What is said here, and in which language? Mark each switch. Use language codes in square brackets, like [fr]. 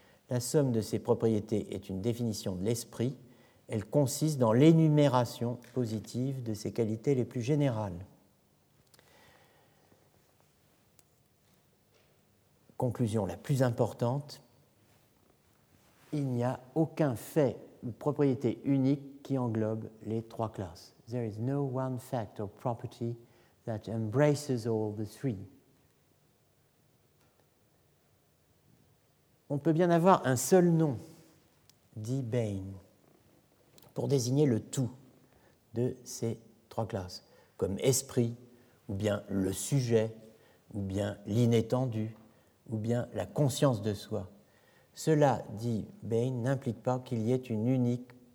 [fr] La somme de ces propriétés est une définition de l'esprit. Elle consiste dans l'énumération positive de ses qualités les plus générales. Conclusion la plus importante, il n'y a aucun fait ou propriété unique qui englobe les trois classes. [en] There is no one fact or property that embraces all the three. [fr] On peut bien avoir un seul nom, dit Bain, pour désigner le tout de ces trois classes, comme esprit, ou bien le sujet, ou bien l'inétendu, ou bien la conscience de soi. Cela, dit Bain, n'implique pas qu'il y ait une unique propriété.